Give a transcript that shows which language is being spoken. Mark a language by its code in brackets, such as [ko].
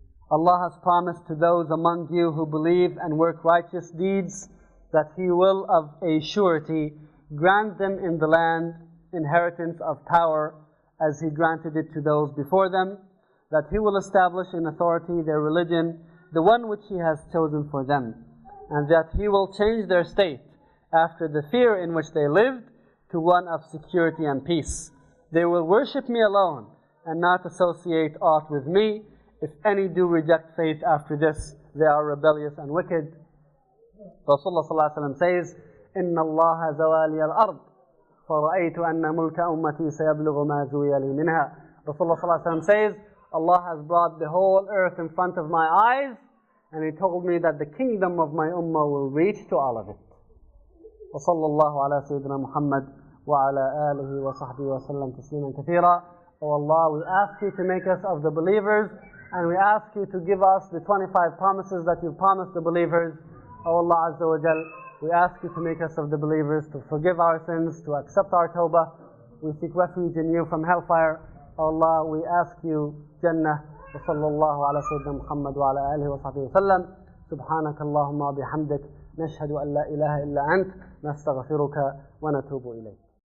[en] Allah has promised to those among you who believe and work righteous deeds that He will of a surety grant them in the land inheritance of power as He granted it to those before them, that He will establish in authority their religion, the one which He has chosen for them, and that He will change their state after the fear in which they lived to one of security and peace. They will worship Me alone and not associate aught with Me. If any do reject faith after this, they are rebellious and wicked. [ar] Rasulullah ﷺ says, إِنَّ اللَّهَ زَوَالِيَ الْأَرْضِ فَرَأَيْتُ أَنَّ مُلْكَ أُمَّتِي سَيَبْلُغُ مَا زُوِيَ لِي مِنْهَا. [en] Rasulullah ﷺ says, Allah has brought the whole earth in front of my eyes, and He told me that the kingdom of my ummah will reach to all of it. [ar] وصلى الله على سيدنا محمد وعلى آله وصحبه وسلم تسليما كثيرا. [en] Oh Allah, we ask You to make us of the believers, and we ask You to give us the 25 promises that You promised the believers. Oh Allah Azza wa Jal, we ask You to make us of the believers, to forgive our sins, to accept our tawbah. We seek refuge in You from hellfire. Oh Allah, we ask You Jannah. [ar] وصلى الله على سيدنا محمد وعلى آله وصحبه وسلم. سبحانك اللهم وبحمدك, نشهد أن لا إله إلا أنت, نستغفرك ونتوب إليك.